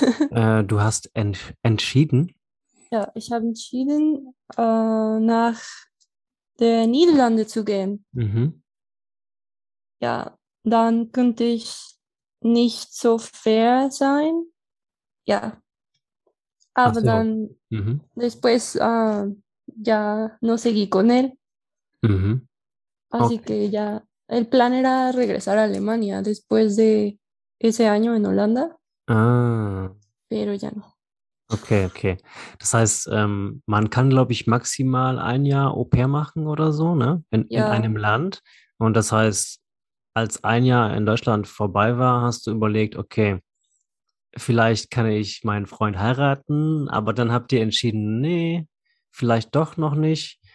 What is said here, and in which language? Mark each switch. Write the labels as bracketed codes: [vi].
[de] Du hast entschieden. Ja, ich habe entschieden, nach der Niederlande zu gehen. Ja, dann könnte ich nicht so fair sein. Ja, Ach aber so. [es] dann después, ja, no seguí con él. Así [en] Okay. [es] que ya, el plan era regresar a Alemania después de ese año en Holanda, Ah. pero ya no. [en] Okay. [de] Das heißt, man kann, glaube ich, maximal ein Jahr Au-pair machen oder so, ne? In einem Ja. Land. Und das heißt, als ein Jahr in Deutschland vorbei war, hast du überlegt, okay, vielleicht kann ich meinen Freund heiraten, aber dann habt ihr entschieden, nee, vielleicht doch noch nicht.